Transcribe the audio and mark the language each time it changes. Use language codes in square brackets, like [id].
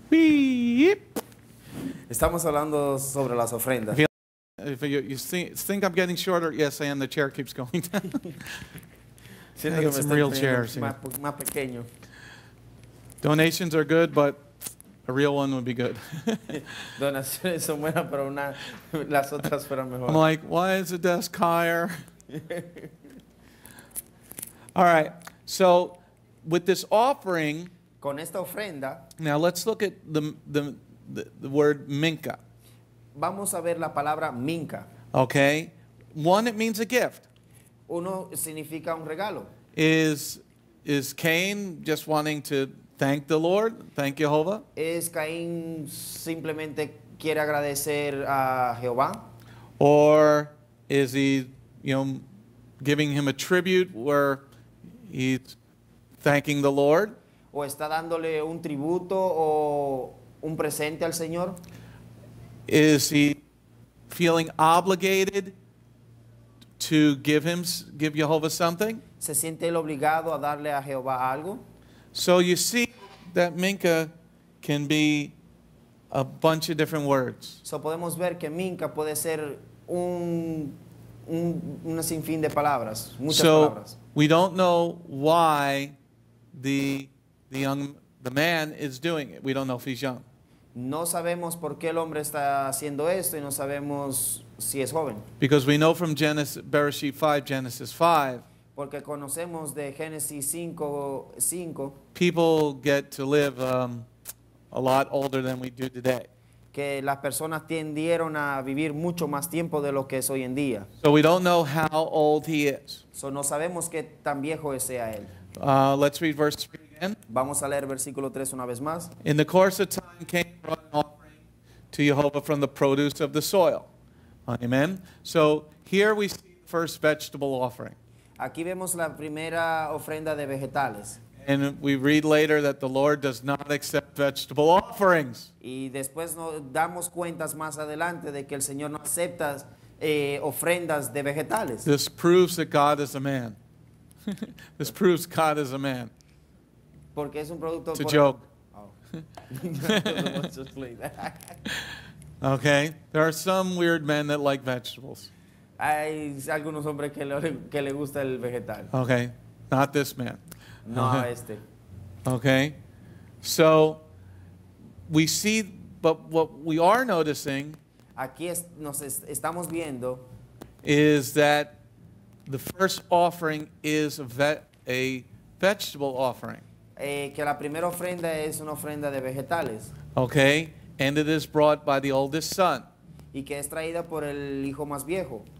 [es] Beep. Estamos hablando sobre las ofrendas. [en] If you think I'm getting shorter, yes, I am. The chair keeps going down. [es] Siento que me [en] some real chairs. [es] Más pequeño. [en] Donations are good, but a real one would be good. [es] Donaciones son buenas, pero una las otras fueron mejor. [en] I'm like, why is the desk higher? All right, so with this offering, [es] con esta ofrenda, [en] now let's look at the word minka. [es] Vamos a ver la palabra minka. [en] Okay, one, it means a gift. [es] Uno significa un regalo. [en] Is Cain just wanting to thank the Lord, thank Yehovah? [es] Es Caín simplemente quiere agradecer a Jehová? [en] Or is he, you know, giving him a tribute where he's thanking the Lord? [es] ¿O está dándole un tributo o un presente al Señor? [en] Is he feeling obligated to give Yehovah something? [es] ¿Se siente él obligado a darle a Jehová algo? [en] So you see that Minka can be a bunch of different words. [es] So podemos ver que Minka puede ser un sinfín de palabras, muchas [en] so [es] palabras. [en] So we don't know why the man is doing it. We don't know if he's young. [es] No sabemos por qué el hombre está haciendo esto y no sabemos si es joven. [en] Because we know from Genesis 5. [es] Porque conocemos de Génesis 5. [en] People get to live a lot older than we do today. [es] Que las personas tendieron a vivir mucho más tiempo de lo que es hoy en día. [en] So we don't know how old he is. [es] So no sabemos qué tan viejo sea él. [en] Let's read verse 3. [es] Vamos a leer versículo 3 una vez más. [en] In the course of time came an offering to Yehovah from the produce of the soil. Amen. So here we see the first vegetable offering. [es] Aquí vemos la primera ofrenda de vegetales. [en] And we read later that the Lord does not accept vegetable offerings. [es] Y después nos damos cuentas más adelante de que el Señor no acepta ofrendas de vegetales. [en] This proves that God is a man. This proves God is a man. [es] Porque es un producto [en] it's a joke. Oh. Okay. There are some weird men that like vegetables. [es] Hay algunos hombres que le gusta el vegetal. [en] Okay. Not this man. [es] No, okay. Este. [en] Okay. So we see, but what we are noticing [es] aquí nos estamos viendo [en] is that the first offering is a vegetable offering. [es] Que la primera ofrenda es una ofrenda de vegetales. [en] Okay, and it is brought by the oldest son. [es] Y que es traída por el hijo más viejo.